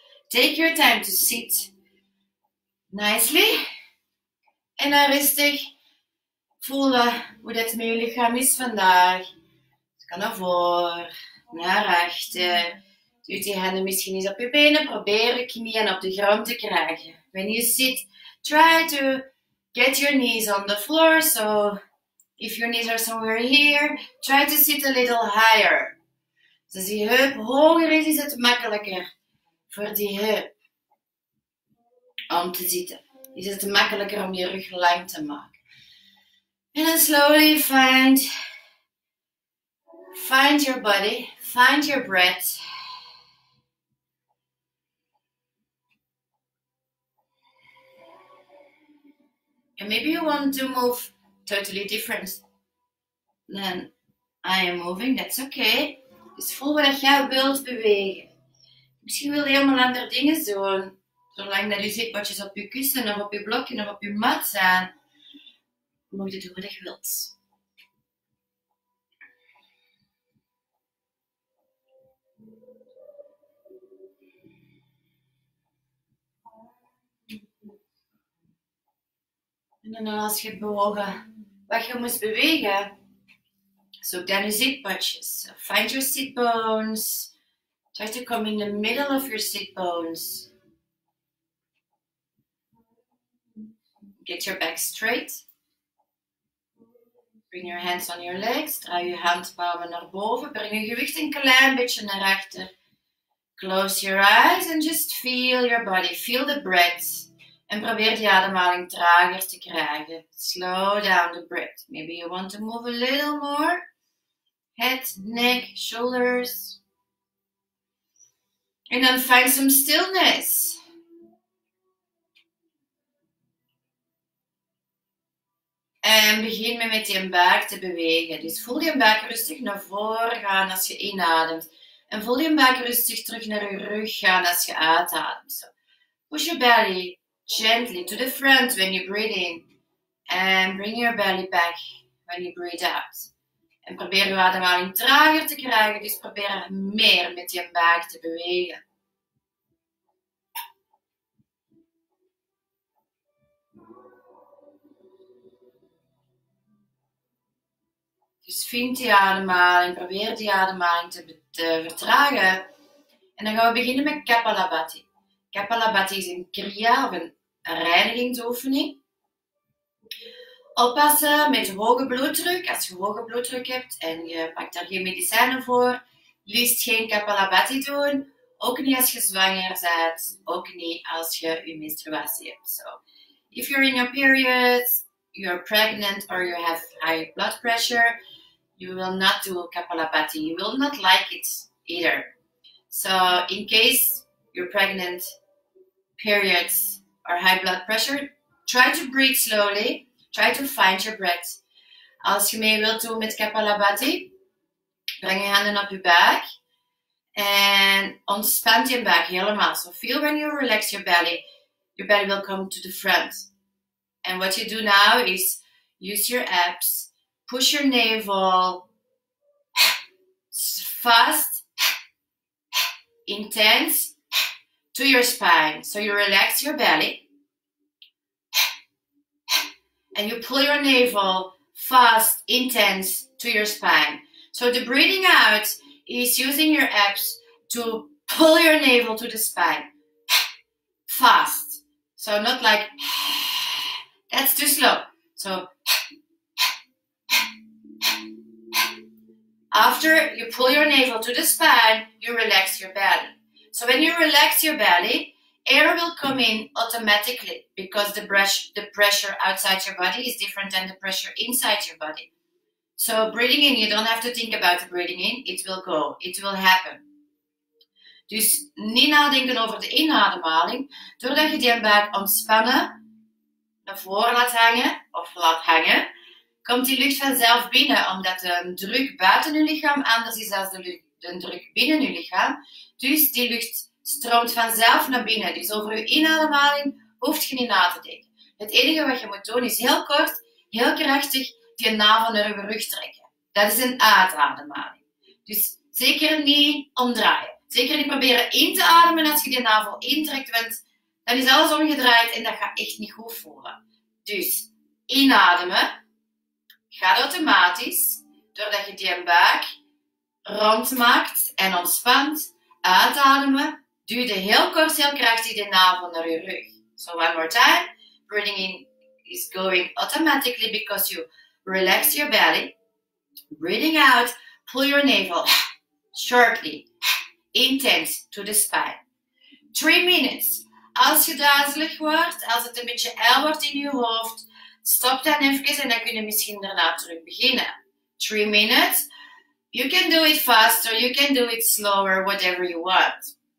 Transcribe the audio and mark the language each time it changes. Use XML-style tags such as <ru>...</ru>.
<en>Take your time to sit nicely.</en> <nl>En dan rustig voelen hoe dat met je lichaam is vandaag. Het kan naar voren, naar achter. Duw die handen misschien eens op je benen. Probeer je knieën op de grond te krijgen.</nl> <en>When you sit, try to get your knees on the floor, so if your knees are somewhere here, try to sit a little higher.</en> <nl>Dus die heup hoger is, is het makkelijker voor die heup om te zitten. Is het makkelijker om je rug lang te maken. En dan</nl> <en>slowly find your body, find your breath. And maybe you want to move totally different than I am moving. That's okay.</en> <nl>Dus voel wat jij wilt bewegen. Misschien wil je helemaal andere dingen doen. Zolang dat je zitpotjes op je kussen of op je blokje of op je mat zijn. Moet je doen wat je wilt. En dan als je hebt bewogen wat je moest bewegen, zoek dan je zitpotjes.</nl> <en>Find your sit bones. Try to come in the middle of your sit bones. Get your back straight. Bring your hands on your legs.</en> <nl>Draai je handpalmen naar boven. Breng je gewicht een klein beetje naar achter.</nl> <en>Close your eyes and just feel your body. Feel the breath.</en> <nl>En probeer die ademhaling trager te krijgen.</nl> <en>Slow down the breath. Maybe you want to move a little more. Head, neck, shoulders. And then find some stillness.</en> <nl>En begin met je buik te bewegen. Dus voel je buik rustig naar voren gaan als je inademt. En voel je buik rustig terug naar je rug gaan als je uitademt.</nl> <en>So push your belly. Gently to the front when you breathe in. And bring your belly back when you breathe out.</en> <nl>En probeer je ademhaling trager te krijgen. Dus probeer meer met je buik te bewegen. Dus vind die ademhaling. Probeer die ademhaling te vertragen. En dan gaan we beginnen met Kapalabhati. Kapalabhati is een kriya of een reinigingsoefening. Oppassen met hoge bloeddruk. Als je hoge bloeddruk hebt en je pakt daar geen medicijnen voor, liefst geen Kapalabhati doen. Ook niet als je zwanger bent. Ook niet als je je menstruatie hebt.</nl> <en>So, if you're in your period, you're pregnant or you have high blood pressure, you will not do Kapalabhati. You will not like it either. So, in case you're pregnant, periods, or high blood pressure, try to breathe slowly, try to find your breath.</en> <nl>Als je mee wilt doen met Kapalabhati, breng je handen op je buik en ontspan je buik helemaal.</nl> <en>So feel when you relax your belly will come to the front. And what you do now is use your abs, push your navel fast, intense to your spine. So you relax your belly. And you pull your navel fast, intense to your spine. So the breathing out is using your abs to pull your navel to the spine fast. So not like, that's too slow. So after you pull your navel to the spine, you relax your belly. So when you relax your belly, air will come in automatically because the pressure outside your body is different than the pressure inside your body. So breathing in, you don't have to think about the breathing in. It will go. It will happen.</en> <nl>Dus niet nadenken over de inademhaling. Doordat je die buik ontspannen, naar voren laat hangen of laat hangen, komt die lucht vanzelf binnen, omdat de druk buiten je lichaam anders is dan de druk binnen je lichaam. Dus die lucht stroomt vanzelf naar binnen. Dus over je inademhaling hoef je niet na te denken. Het enige wat je moet doen is heel kort, heel krachtig, je navel naar je rug trekken. Dat is een uitademhaling. Dus zeker niet omdraaien. Zeker niet proberen in te ademen als je die navel intrekt, want dan is alles omgedraaid en dat gaat echt niet goed voelen. Dus inademen gaat automatisch doordat je die buik rondmaakt en ontspant. Uitademen duwde heel kort, heel krachtig de navel naar je rug.</nl> <en>So one more time. Breathing in is going automatically because you relax your belly. Breathing out, pull your navel sharply, intense to the spine. 3 minutes.</en> <nl>Als je duizelig wordt, als het een beetje el wordt in je hoofd, stop dan even en dan kun je misschien daarna terug beginnen.</nl> <en>3 minutes. You can do it faster, you can do it slower, whatever you want.</en>